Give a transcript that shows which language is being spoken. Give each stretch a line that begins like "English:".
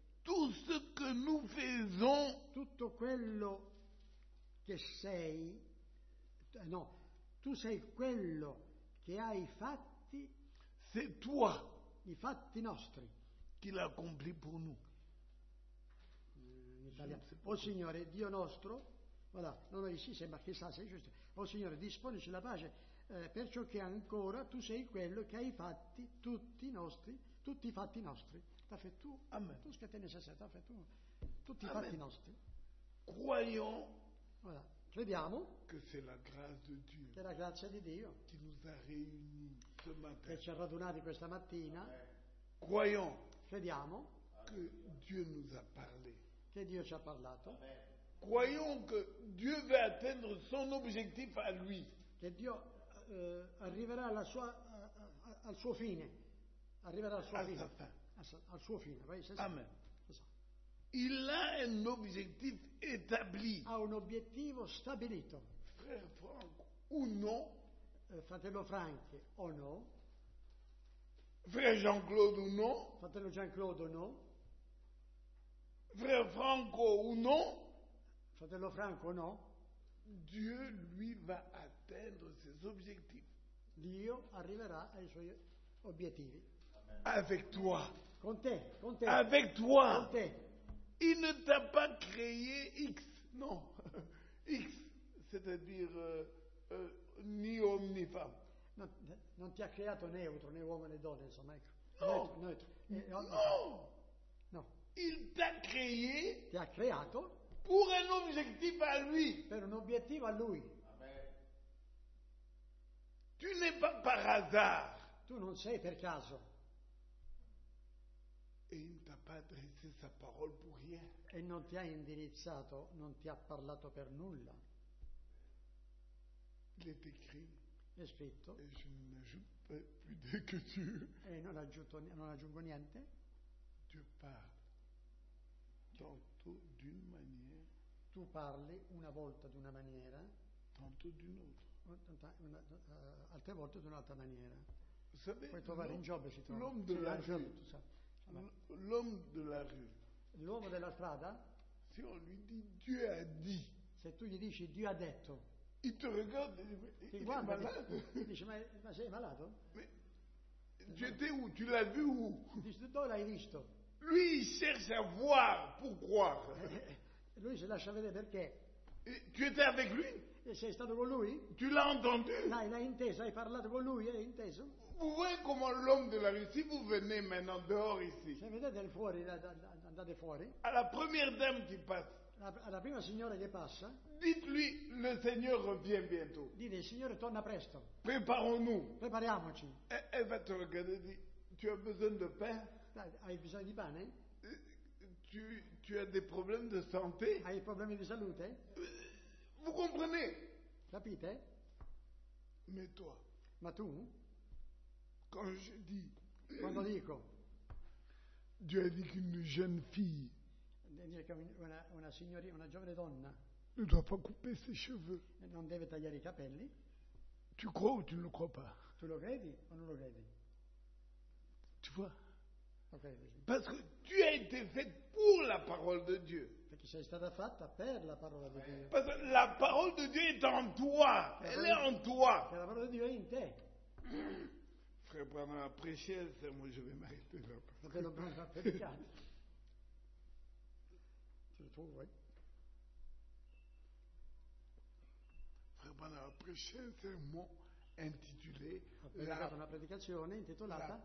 French: tout ce que nous faisons,
Italian: tutto quello che sei, no, tu sei quello che hai fatti,
French: c'est toi,
Italian: i fatti nostri,
French: qui l'accompli pour nous.
Italian: In italiano. Oh Signore, Dio nostro, voilà, non ho ici, sembra chissà se è giusto. Oh Signore, disponici la pace, perciò che ancora tu sei quello che hai fatti tutti i nostri, tutti i fatti nostri.
French: T'as fait tout. Amen. Tout ce qui était nécessaire, t'as fait tout. Tous les
Italian: fatti nostri.
French: Croyons.
Italian: Voilà. Crediamo.
French: Que c'est la grâce de Dieu.
Italian: Che la grazia di Dio.
French: Qui nous a réunis ce matin.
Italian: Che ci ha radunati questa mattina.
French: Amen. Croyons.
Italian: Crediamo.
French: Que Dieu nous a parlé.
Italian: Che Dio ci ha parlato.
French: Amen. Croyons que Dieu veut atteindre son objectif à lui.
Italian: Che Dio arriverà alla sua, al suo fine. Arriverà alla sua fine. Al suo fine, vai,
French: c'est ça. Amen. C'est ça. Il a un objectif établi.
Italian: Ha un obiettivo stabilito.
French: Frère Franck, ou non?
Italian: Fratello Frank, o no?
French: Frère Jean-Claude, ou non?
Italian: Fratello Jean-Claude, o no?
French: Frère Franco, ou non?
Italian: Fratello Franco, o no?
French: Dieu lui va atteindre ses objectifs.
Italian: Dio arriverà ai suoi obiettivi.
French: Avec toi.
Italian: Con te, con te.
French: Avec toi.
Italian: Con te.
French: Il ne t'a pas créé X. Non. X, c'est-à-dire ni homme ni femme.
Italian: Non, non ti ha creato neutro, né uomo né donna, insomma, ecco.
French: Neutro. Non. Il t'a créé.
Italian: Ti ha creato.
French: Pour un objectif à lui.
Italian: Per un obiettivo a lui.
French: Amen. Tu n'es pas par hasard.
Italian: Tu non sei per caso.
French: Et il ne t'a pas adressé sa parole pour rien.
Italian: E non ti ha indirizzato, non ti ha parlato per nulla.
French: Il est écrit.
Italian: È scritto.
French: Et je n'ajoute pas plus de que tu.
Italian: E non aggiungo, non aggiungo niente.
French: Tu parles. Tantôt d'une manière.
Italian: Tu parli una volta d'una maniera.
French: Tantôt d'une autre.
Italian: Altre volte d'un'altra maniera.
French: Vous savez,
Italian: puoi trovare in Giobbe, si trova.
French: L'homme de la rue. L'homme de la rue.
Italian: L'uomo della strada.
French: Si on lui dit Dieu a dit.
Italian: Se tu gli dici Dio ha detto.
French: Il te regarde.
Italian: Ti guarda. Dice ma sei malato?
French: Mais, tu étais où? Tu l'as vu où?
Italian: Dice dove l'hai visto?
French: Lui il cherche à voir pour croire.
Italian: Lui si lascia vedere perché.
French: Et, tu étais avec lui?
Italian: E sei stato con lui?
French: Tu l'hai entendu?
Italian: L'hai inteso, hai parlato con lui, hai inteso?
French: Vous voyez comment l'homme de la rue, si vous venez maintenant dehors ici,
Italian: se vedete fuori, andate fuori,
French: à la première dame qui passe,
Italian: alla prima signora che passa,
French: dites-lui, le Seigneur revient bientôt.
Italian: Dite, il Signore torna presto.
French: Préparons-nous.
Italian: Prepariamoci.
French: Elle va te regarder, dit, tu as besoin de pain?
Italian: Hai bisogno di pane?
French: Tu as des problèmes de santé?
Italian: Hai problemi di salute?
French: Vous comprenez?
Italian: Capite?
French: Mais toi?
Italian: Ma tu?
French: Quand je dis,
Italian: quando dico,
French: Dieu a dit qu'une jeune fille,
Italian: una signorina, una giovane donna,
French: ne doit pas couper ses cheveux,
Italian: non deve tagliare i capelli.
French: Tu crois ou tu ne le crois pas?
Italian: Tu lo credi o non lo credi?
French: Tu vois? Okay. Parce que tu as été faite pour la parole de Dieu.
Italian: Perché sei stata fatta per la parola di Dio.
French: Parce que la parole de Dieu est en toi. Elle est en toi.
Italian: Perché la parola di Dio è in te.
French: Frère Branham a prêché, c'est moi je vais m'arrêter là. Frère Branham a prêché. Tu le trouves, oui. Frère Branham a prêché un sermon intitulé
Italian: una predicazione intitolata